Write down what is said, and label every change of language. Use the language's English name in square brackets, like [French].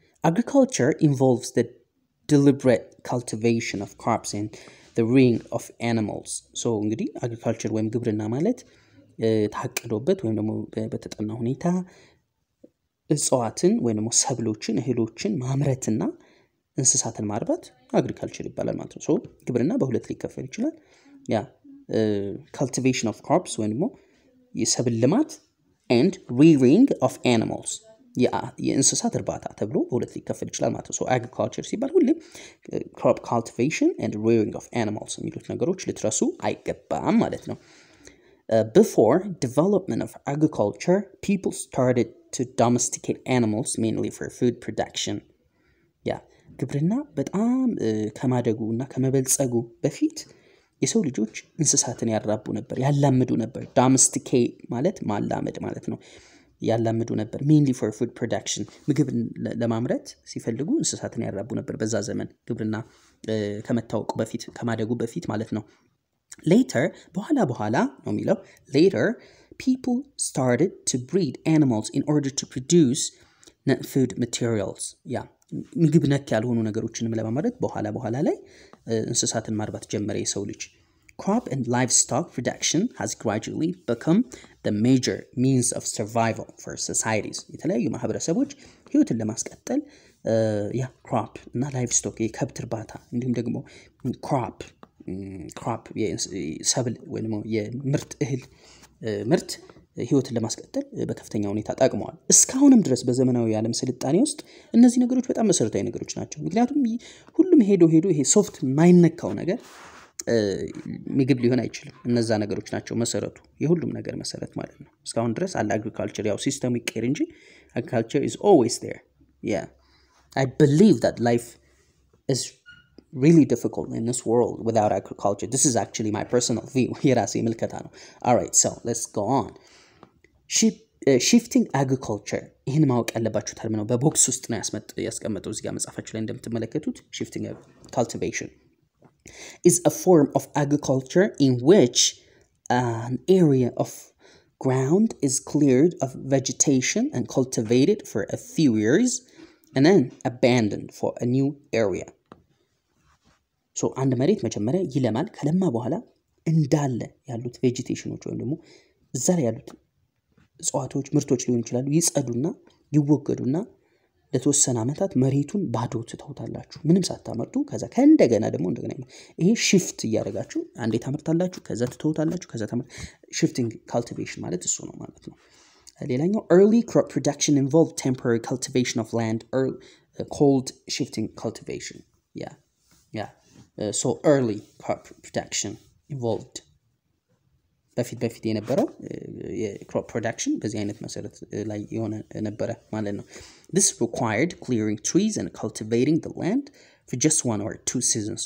[English] agriculture involves the deliberate cultivation of crops and the rearing of animals [Amharic] so እንግዲህ agriculture ወይም ግብርና ማለት ታቅዶበት ወይም ደግሞ በተጠና ሁኔታ እጽዋትን ወይም ደግሞ ሰብሎችን እህሎችን ማምረትና እንስሳትን ማርባት አግሪካልቸር ይባላል ማለት ነው። ሶ ግብርና በሁለት ሊከፈል ይችላል ያ [English] cultivation of crops [Amharic] ወይም ደግሞ የሰብል ልማት [English] and rearing of animals [Amharic] የእንስሳት እርባታ ተብሎ ሁለት ሊከፈል ይችላል ማለት ነው። [English] so agriculture ሲባል ሁሌ crop cultivation and rearing of animals [Amharic] የሚሉት ነገሮች ልትረሱ አይገባም ማለት ነው። [English] Before development of agriculture, people started to domesticate animals mainly for food production. [Amharic] Yeah, ግብርና በጣም ከማደጉና ከመበልጸጉ በፊት የሰው ልጆች እንስሳትን ያራቡ ነበር ያላመዱ ነበር domesticate ማለት ማላመድ ማለት ነው ያላመዱ ነበር [English] mainly for food production [Amharic] ምግብ ለማምረት ሲፈልጉ እንስሳትን ያራቡ ነበር በዛ ዘመን ግብርና ከመታወቁ በፊት ከማደጉ በፊት ማለት ነው። Later, በኋላ ነው የሚለው [English] later people started to breed animals in order to produce food materials. Yeah, [Amharic] ምግብ ነክ ያልሆኑ ነገሮችን ለማምረት በኋላ ላይ እንስሳትን ማርባት ጀመረ የሰው ልጅ። [English] Crop and livestock production has gradually become the major means of survival for societies. [Amharic] የተለያዩ ማህበረሰቦች ህይወትን ለማስቀጠል ያ crop እና livestock የከብት እርባታ እንዲሁም ደግሞ crop የሰብል ወይንም የምርት እህል ምርት ህይወትን ለማስቀጠል በከፍተኛ ሁኔታ ጣቅመዋል። እስካሁንም ድረስ በዘመናዊ ዓለም ስልጣኔ ውስጥ እነዚህ ነገሮች በጣም መሰረታዊ ነገሮች ናቸው። ምክንያቱም ሁሉም ሄዶ ይሄ ሶፍት ማይነካው ነገር ምግብ ሊሆን አይችልም። እነዛ ነገሮች ናቸው መሰረቱ የሁሉም ነገር መሰረት ማለት ነው። እስካሁን ድረስ አለ አግሪካልቸር ያው ሲስተም ይቀር እንጂ [English] አግሪካልቸር ኢዝ ኦልዌይስ ዴር ያ አይ ቢሊቭ ዳት ላይፍ ኢዝ really difficult in this world without agriculture. This is actually my personal view. [Amharic] የራሴ ምልከታ ነው። [English] All right, so let's go on. Shifting agriculture. [Amharic] ይህን ማወቅ ያለባችሁ ተርም ነው። በቦክስ ውስጥ ነው ያስቀመጠው እዚህ ጋር መጻፋችሁ ላይ እንደምትመለከቱት [English] shifting cultivation is a form of agriculture in which an area of ground is cleared of vegetation and cultivated for a few years and then abandoned for a new area. [Amharic] ሶ አንድ መሬት መጀመሪያ ይለማል ከለማ በኋላ እንዳለ ያሉት ቬጂቴሽኖች ወይንም ደሞ እዛ ላይ ያሉት እጽዋቶች ምርቶች ሊሆን ይችላል ይጸዱና ይወገዱና ለተወሰነ አመታት መሬቱን ባዶ ተተውታላችሁ ምንም ሳታመርቱ ከዛ ከእንደገና ደሞ እንደገና ይሄ ሺፍት ያረጋችሁ አንዴ ታመርታላችሁ ከዛ ተተውታላችሁ ከዛ ታመርት ሺፍቲንግ ካልቲቬሽን ማለት እሱ ነው ማለት ነው። ሌላኛው [English] early crop production involved temporary cultivation of land or cold shifting cultivation. Yeah so early crop production involved [Amharic] በፊት የነበረው የcrop production በዚህ አይነት መሰረት ላይ የሆነ ነበር ማለት ነው። [English] This required clearing trees and cultivating the land for just one or two seasons.